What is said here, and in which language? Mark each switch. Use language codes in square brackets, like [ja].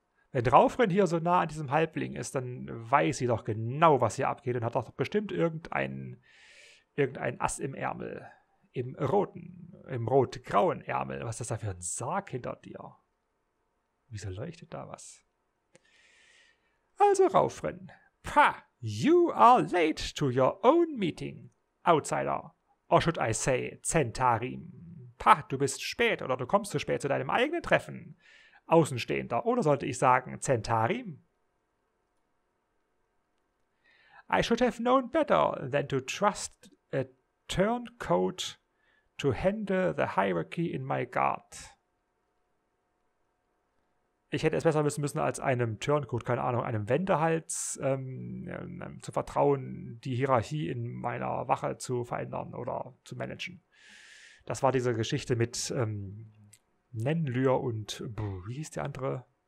[de] Wenn Raufrin hier so nah an diesem Halbling ist, dann weiß sie doch genau, was hier abgeht und hat doch bestimmt irgendein Ass im Ärmel. Im rot-grauen Ärmel. Was ist das da für ein Sarg hinter dir? Wieso leuchtet da was? [en] Also Raufrin, pah, you are late to your own meeting, outsider, or should I say, Zentarim. [de] Pah, du bist spät oder du kommst zu spät zu deinem eigenen Treffen, Außenstehender, oder sollte ich sagen, Zentarim? [en] I should have known better than to trust a turncoat to handle the hierarchy in my guard. [de] Ich hätte es besser wissen müssen, als einem Turncoat, keine Ahnung, einem Wendehals zu vertrauen, die Hierarchie in meiner Wache zu verändern oder zu managen. Das war diese Geschichte mit Nenlyr und wie hieß der andere?